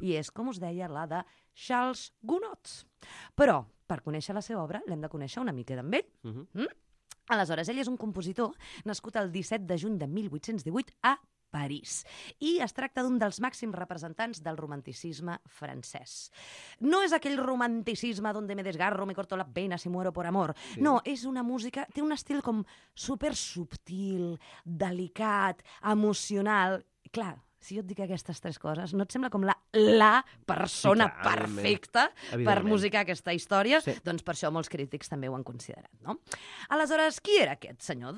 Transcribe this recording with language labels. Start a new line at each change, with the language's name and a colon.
Catalan: I és, com us deia, la de Charles Gounod. Però, per conèixer la seva obra, l'hem de conèixer una mica d'en ell. Mm-hmm. Aleshores, ell és un compositor nascut el 17 de juny de 1818 a París. I es tracta d'un dels màxims representants del romanticisme francès. No és aquell romanticisme
Spanish: donde me desgarro, me corto las venas y muero por amor.
Catalan: Sí. No, és una música, té un estil com super subtil, delicat, emocional. Clar, si jo et dic aquestes tres coses, no et sembla com la persona sí, clar, perfecta evidentment. Per musicar aquesta història? Sí. Doncs per això molts crítics també ho han considerat, no? Aleshores, qui era aquest senyor?